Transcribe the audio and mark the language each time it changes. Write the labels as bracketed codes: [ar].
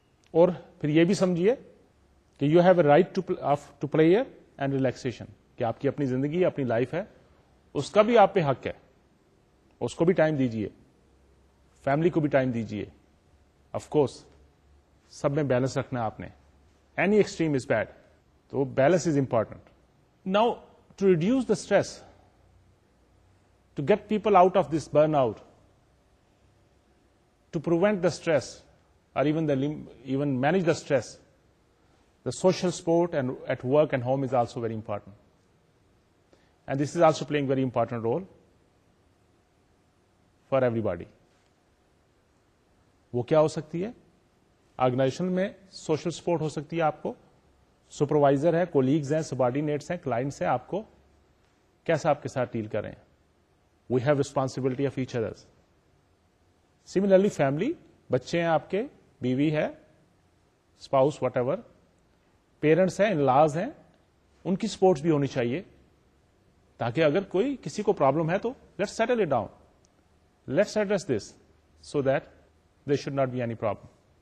[ur] اور پھر یہ بھی سمجھیے کہ [en] you have a right to player and relaxation, [ur] کہ آپ کی اپنی زندگی اپنی لائف ہے, اس کا بھی آپ پہ حق ہے, اس کو بھی ٹائم دیجئے, فیملی کو بھی ٹائم دیجئے. آف کورس سب میں بیلنس رکھنا ہے آپ نے. [en] Any extreme is bad. So balance is important. Now, to reduce the stress, to get people out of this burnout, to prevent the stress, or even manage the stress, the social support and at work and home is also very important. And this is also playing a very important role for everybody. [ur] وہ کیا ہو سکتی ہے؟ Organization میں social support ہو سکتی ہے آپ کو, supervisor ہے, کولیگز ہیں, سبارڈینیٹس ہیں, کلائنٹس ہیں, آپ کو کیسا آپ کے ساتھ ڈیل کریں. [en] We have responsibility of each others. [ur] Similarly family, بچے ہیں آپ کے, بیوی ہے, اسپاؤس, وٹ ایور, پیرنٹس ہیں, ان لاز ہیں, ان کی سپورٹس بھی ہونی چاہیے تاکہ اگر کوئی کسی کو پرابلم ہے تو [en] Let's settle it down, let's address this so that there should not be any problem.